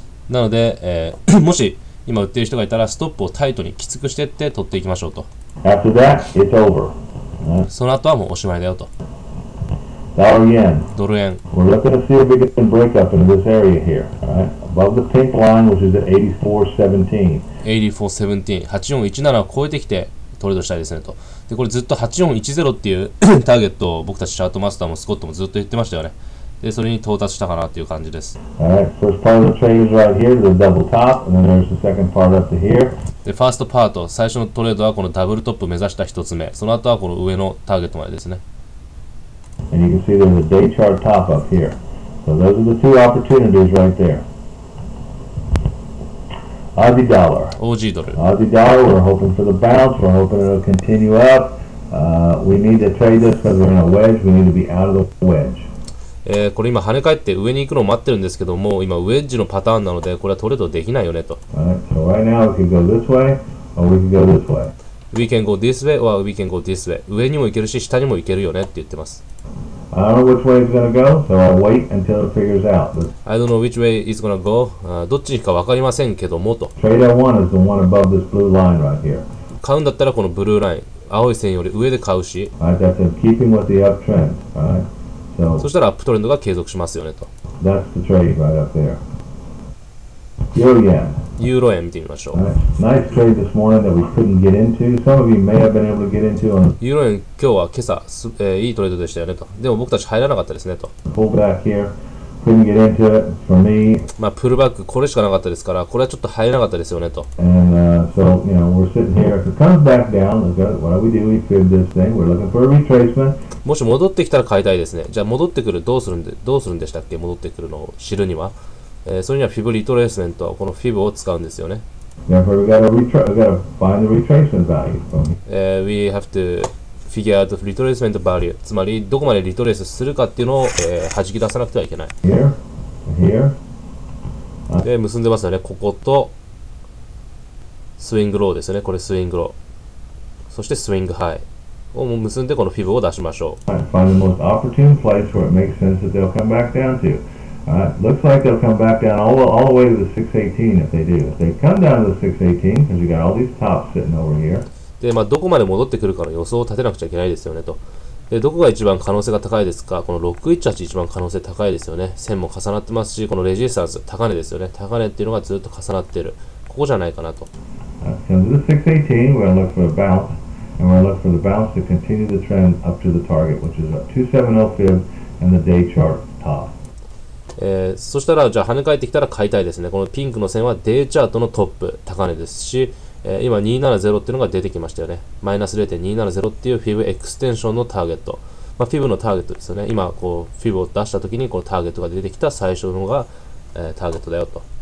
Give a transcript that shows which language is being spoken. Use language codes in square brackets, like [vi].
[ja] なので、もし今売ってる人がいたらストップをタイトにきつくしてって取っていきましょうと。 [en] After that, it's over. [ja] その後はもうおしまいだよと。ドル円。 [en] We're looking to see if we get some break up in this area here. Above the pink line, which is at 84.17. [ja] 84.17。8417を超えてきてトレードしたいですねと。で、これずっと8410っていうターゲットを僕たちチャートマスターもスコットもずっと言ってましたよね。で、それに到達したかなという感じです。 [en] First part of the trade is right here, the double top, and then there's the second part up to here. [ja] で、ファーストパート、最初のトレードはこのダブルトップ目指した一つ目。その後はこの上のターゲットまでですね。 [en] And you can see there's a day chart top up here. So those are the two opportunities right there. Aussie dollar. Aussie dollar. Aussie dollar, we're hoping for the bounce. We're hoping it'll continue up. We need to trade this because we're in a wedge. We need to be out of the wedge. [ja] これ今跳ね返って上に行くのを待ってるんですけども、今ウェッジのパターンなので、これはトレードできないよねと。 [en] So right now we can go this way or we can go this way. We can go this way or we can go this way. [ja] 上にも行けるし下にも行けるよねって言ってます。 [en] I don't know which way it's gonna go, so I'll wait until it figures out. I don't know which way it's gonna go. [ja] どっちか分かりませんけどもと。 [en] Trade I want is the one above this blue line right here. [ja] 買うんだったらこのブルーライン、青い線より上で買うし。 [en] Alright, that's keeping with the uptrend. Alright, so. [ja] そしたらアップトレンドが継続しますよねと。 [en] That's the trade right up there. [ja] ユーロ円見てみましょう。 [en] Nice trade this morning that we couldn't get into. Some of you may have been able to get into on. [ja] ユーロ円今日は今朝す、いいトレードでしたよねと。でも僕たち入らなかったですねと。 [en] Pull back here, couldn't get into it for me. [ja] まあプルバックこれしかなかったですから、これはちょっと入らなかったですよねと。 [en] And so you know we're sitting here. If it comes back down, what we do? We fib this thing. We're looking for a retracement. [ja] もし戻ってきたら買いたいですね。じゃあ戻ってくるどうするんでどうするんでしたっけ？戻ってくるのを知るには。それにはフィブリトレースメント、このフィブを使うんですよね。 [en] Therefore, we gotta find the retracement value for me. We have to figure out the retracement value. [ja] つまり、どこまでリトレースするかっていうのを、弾き出さなくてはいけない。 Here. で、結んでますよね。ここと、スイングローですね。これスイングロー。そしてスイングハイ。をもう結んで、このフィブを出しましょう。 [en] Find the most opportune place where it makes sense that they'll come back down to. Looks like they'll come back down all the way to the 618 if they do. If they come down to the 618, because you got all these tops sitting over here. [ja] で、まあどこまで戻ってくるかの予想を立てなくちゃいけないですよねと。で、どこが一番可能性が高いですか。この618一番可能性高いですよね。線も重なってますし、このレジスタンス高値ですよね。高値っていうのがずっと重なってる。ここじゃないかなと。 [en] So this 618, we're gonna look for a bounce, and we're gonna look for the bounce to continue the trend up to the target, which is a 2705 and the day chart top. [ja] そしたらじゃあ跳ね返ってきたら買いたいですね。このピンクの線はデイチャートのトップ高値ですし、今270っていうのが出てきましたよね。マイナス 0.270 っていうフィブエクステンションのターゲット、まあ、フィブのターゲットですよね。今こうフィブを出した時にこのターゲットが出てきた最初のが、ターゲットだよと。